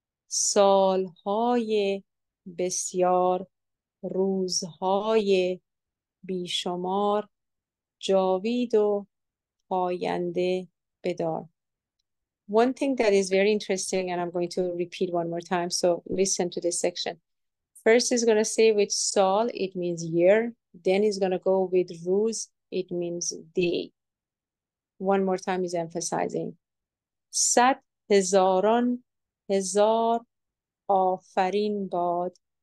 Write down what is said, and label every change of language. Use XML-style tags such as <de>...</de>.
<fa>سالهای بسیار، روزهای بیشمار، جاوید و پاینده بدار.</fa> <en>One thing that is very interesting, and I'm going to repeat one more time, so listen to this section. First is going to say with سال, it means year. Then is going to go with روز, it means day. One more time is emphasizing.</en> <fa>صد هزاران هزار آفرین باد.</fa>